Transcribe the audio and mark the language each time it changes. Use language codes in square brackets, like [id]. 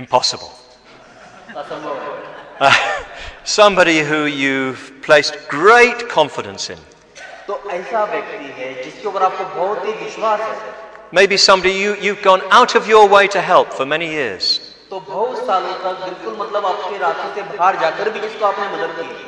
[en] impossible, [hi] असंभव. [en] Somebody who you've placed great confidence in. [hi] तो ऐसा व्यक्ति है जिसके ऊपर आपको बहुत ही विश्वास है. [en] Maybe somebody you've gone out of your way to help for many years. [hi] तो बहुत सालों तक बिल्कुल मतलब आपके रास्ते से बाहर जाकर भी जिसको आपने मदद की.